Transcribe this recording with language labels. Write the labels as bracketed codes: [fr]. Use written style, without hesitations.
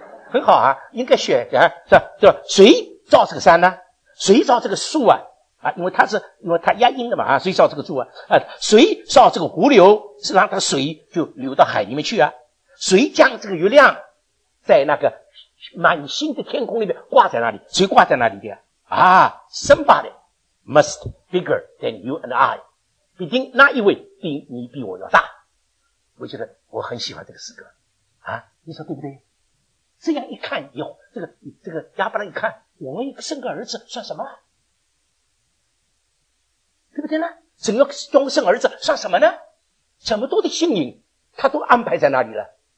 [zh] 很好啊，应该学啊，是吧？是吧？谁造这个山呢？谁造这个树啊？啊，因为它是，因为它压阴的嘛啊，谁造这个树啊？啊，谁造这个湖流，是让它水就流到海里面去啊？谁将这个月亮在那个满星的天空里面挂在那里？谁挂在那里的？啊 ， [en] somebody must bigger than you and I， [zh] 毕竟那一位比你比我要大。我觉得我很喜欢这个诗歌，啊，你说对不对？这样一看以后，这个亚伯拉一看，我们生个儿子算什么？对不对呢？怎么要生儿子算什么呢？这么多的幸运，他都安排在那里了。